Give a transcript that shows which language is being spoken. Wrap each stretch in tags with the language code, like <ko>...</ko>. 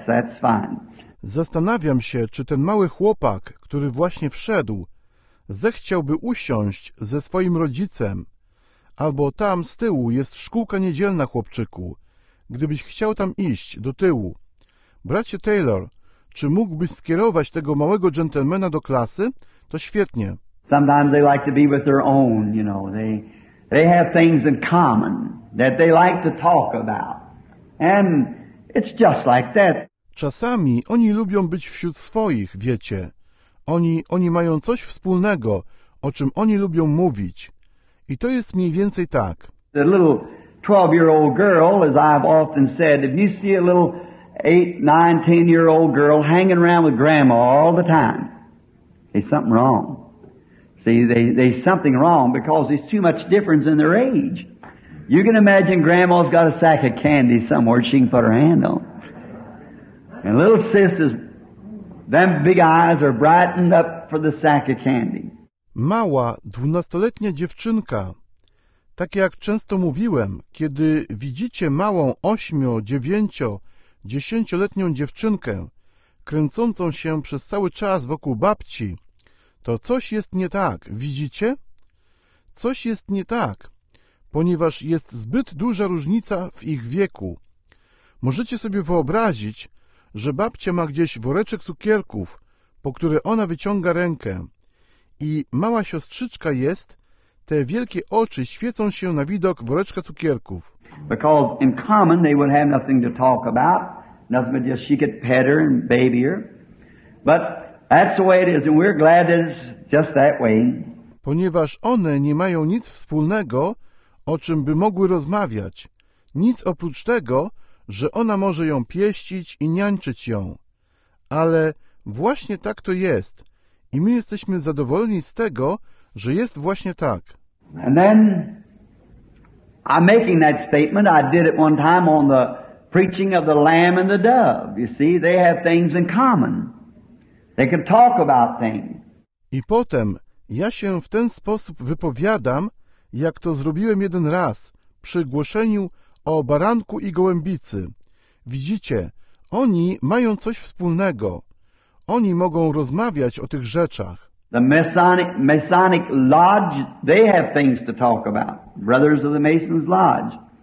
<en>That's fine.</en> <pl>Zastanawiam się, czy ten mały chłopak, który właśnie wszedł, zechciałby usiąść ze swoim rodzicem. Albo tam z tyłu jest szkółka niedzielna, chłopczyku. Gdybyś chciał tam iść, do tyłu. Bracie Taylor, czy mógłbyś skierować tego małego dżentelmena do klasy? To świetnie.</pl> <en>Sometimes they like to be with their own, you know. They They have things in common that they like to talk about. And it's just like that.</en> <pl>Czasami oni lubią być wśród swoich, wiecie. Oni mają coś wspólnego, o czym oni lubią mówić. I to jest mniej więcej tak.</pl> <en>A little 12-year-old girl, as I've often said, if you see a little 8, 9, 10-year-old girl hanging around with grandma all the time, there's something wrong. See, there's something wrong because there's too much difference in their age. You can imagine grandma's got a sack of candy somewhere she can put her hand on. And little sister's, them big eyes are brightened up for the sack of candy.</en> <pl>Mała, 12-letnia dziewczynka. Tak jak często mówiłem, kiedy widzicie małą 8, 9, 10-letnią dziewczynkę, kręcącą się przez cały czas wokół babci, to coś jest nie tak, widzicie? Coś jest nie tak, ponieważ jest zbyt duża różnica w ich wieku. Możecie sobie wyobrazić, że babcia ma gdzieś woreczek cukierków, po który ona wyciąga rękę. I mała siostrzyczka jest, te wielkie oczy świecą się na widok woreczka cukierków.</pl> <en>Because in common they would have nothing to talk about, nothing but just she could pet her and baby her. But that's the way it is, and we're glad that it's just that way.</en> <pl>Ponieważ one nie mają nic wspólnego, o czym by mogły rozmawiać. Nic oprócz tego, że ona może ją pieścić i niańczyć ją. Ale właśnie tak to jest. I my jesteśmy zadowoleni z tego, że jest właśnie tak.</pl> <en>And then, I'm making that statement. I did it one time on the preaching of the lamb and the dove. You see, they have things in common. They can talk about things.</en> <pl>I potem ja się w ten sposób wypowiadam, jak to zrobiłem jeden raz przy głoszeniu o baranku i gołębicy. Widzicie, oni mają coś wspólnego. Oni mogą rozmawiać o tych rzeczach.</pl> <en>The Masonic Lodge, they have things to talk about. Brothers of the Mason's Lodge.</en>